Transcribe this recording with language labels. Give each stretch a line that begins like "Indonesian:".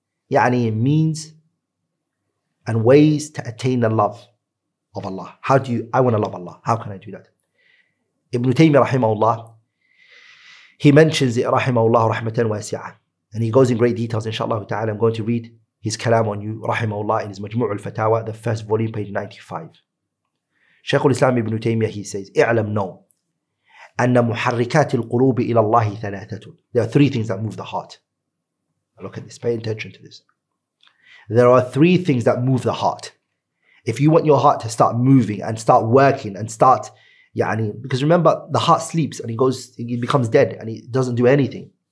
English: Yani means and ways to attain the love of Allah. How do you, I want to love Allah, how can I do that? Ibn Taymiyyah rahimahullah, he mentions it rahimahullah rahmatan wasi'ah, and he goes in great details, inshallah ta'ala. I'm going to read his kalam on you, rahimahullah, in his Majmu' al-Fatawa, the first volume, page 95. Shaykh al-Islam ibn Taymiyyah, he says,
Arabic: اعلم نو أن محركات القلوب إلى الله ثلاثة.
English: There are three things that move the heart. Look at this, pay attention to this. There are three things that move the heart. If you want your heart to start moving and start working and start, يعني, because remember, the heart sleeps and it becomes dead and it doesn't do anything.